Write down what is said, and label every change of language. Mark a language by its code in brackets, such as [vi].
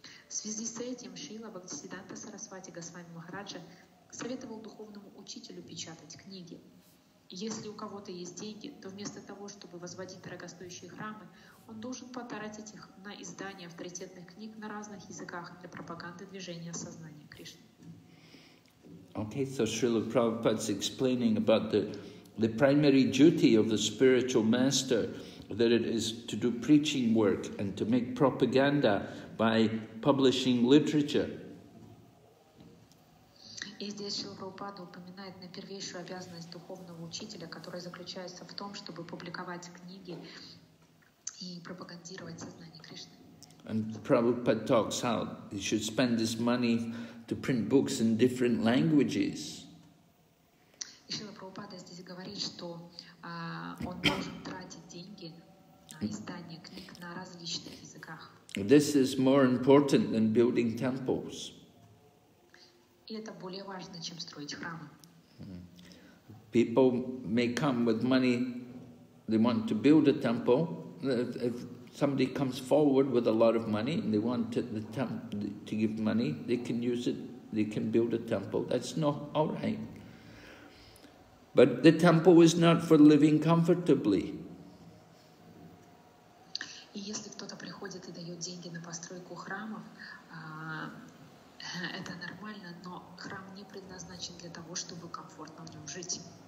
[ru] В связи с этим Шрила Бхактисиддханта Сарасвати Госвами Махараджа советовал духовному учителю печатать книги. Если у кого-то есть деньги, то вместо того, чтобы возводить дорогостоящие храмы, он должен потратить их на издание авторитетных книг на разных языках для пропаганды движения сознания Кришны. [en] Okay, so Srila Prabhupada's explaining about the primary duty of the spiritual master, that it is to do preaching work and to make propaganda by publishing literature. [ru] И здесь Шрила Прабхупада упоминает на первейшую обязанность духовного учителя, которая заключается в том, чтобы публиковать книги и пропагандировать сознание Кришны. [en] And Prabhupada talks how he should spend his money to print books in different languages. [ru] И Шрила Прабхупада здесь говорит, что он должен тратить деньги на издание книг на различных языках. [en] This is more important than building temples. [ru] И это более важно, чем строить храмы. [en] People may come with money, they want to build a temple. If somebody comes forward with a lot of money and they want to give money, they can use it, they can build a temple. That's not all right. But the temple is not for living comfortably. [ru] И если кто-то приходит и дает деньги на постройку храмов, это нормально, но храм не предназначен для того, чтобы комфортно в нем жить.